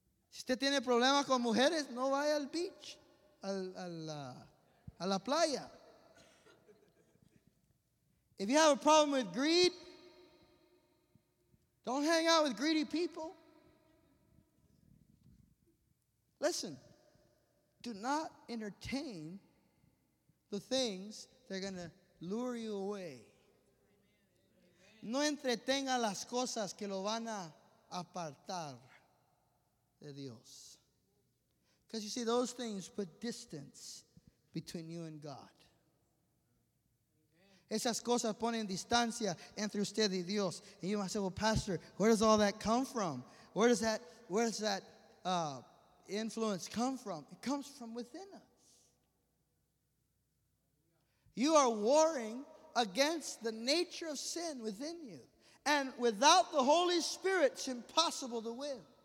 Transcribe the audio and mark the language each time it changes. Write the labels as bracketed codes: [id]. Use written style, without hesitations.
[es] Si usted tiene problemas con mujeres, no vaya al beach, a la playa. [en] If you have a problem with greed, don't hang out with greedy people. Listen, do not entertain the things that are going to lure you away. [es] No entretenga las cosas que lo van a apartar de Dios. [en] Because you see, those things put distance between you and God. [es] Esas cosas ponen distancia entre usted y Dios. [en] And you might say, well, Pastor, where does all that come from? Where does that influence come from? It comes from within us. You are warring against the nature of sin within you. And without the Holy Spirit, it's impossible to win.